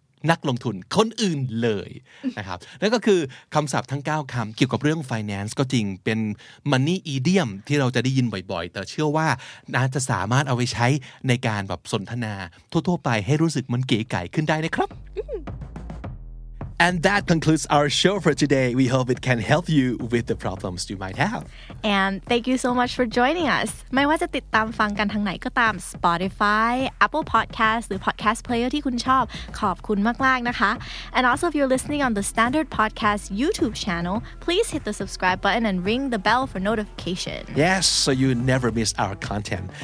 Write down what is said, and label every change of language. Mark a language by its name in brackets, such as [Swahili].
[Thai] นักลงทุนคนอื่นเลยนะครับนั่นก็คือคำศัพท์ทั้ง9คำเกี่ยวกับเรื่อง finance ก็จริงเป็น money idiom ที่เราจะได้ยินบ่อยๆแต่เชื่อว่าน่าจะสามารถเอาไปใช้ในการแบบสนทนาทั่วๆไปให้รู้สึกมันเก๋ไก๋ขึ้นได้นะครับ [English] And that concludes our show for today. We hope it can help you with the problems you might have. And thank you so much for joining us. [Thai] ไม่ว่าจะติดตามฟังกันทางไหนก็ตาม Spotify, Apple Podcasts, หรือ Podcast Player ที่คุณชอบขอบคุณมากๆนะคะ [English] And also if you're listening on the Standard Podcast YouTube channel, please hit the subscribe button and ring the bell for notification. Yes, so you never miss our content.